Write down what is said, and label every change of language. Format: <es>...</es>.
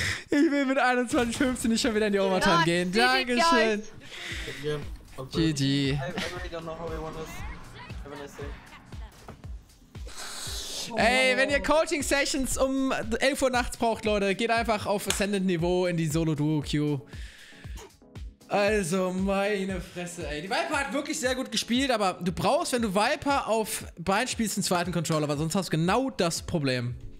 <de>Ich will mit 21.15 nicht schon wieder in die Overtime gehen. Dankeschön. GG.</de> <en>I really don't know how we want this.</en> <de>Ey, wenn ihr Coaching Sessions um 11 Uhr nachts braucht, Leute, geht einfach auf Ascendant Niveau in die Solo Duo Queue. Also, meine Fresse, ey. Die Viper hat wirklich sehr gut gespielt, aber du brauchst, wenn du Viper auf Bein spielst, einen zweiten Controller, weil sonst hast du genau das Problem.</de>